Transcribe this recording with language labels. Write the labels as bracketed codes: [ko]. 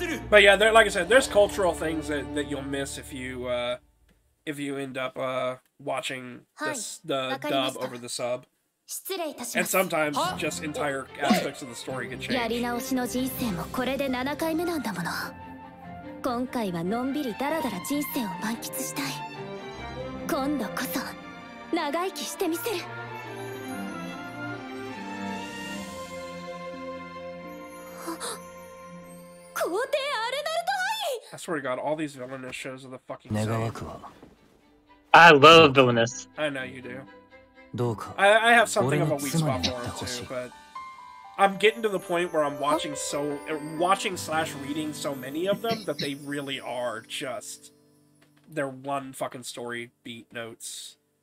[en] But yeah, like I said, there's cultural things that you'll miss if you end up watching the dub over the sub. And sometimes just entire aspects of the story can change. [ja] やり直しの人生もこれで7回目なんだもの。今回はのんびりだらだら人生を満喫したい。今度こそ長生きしてみせる。皇帝アルナルト! [en] swear to God, all these villainous shows are the fucking same. I love villainous. I know you do. I have something of a weak spot for it too, but I'm getting to the point where I'm watching slash reading so many of them that they really are just their one fucking story beat notes.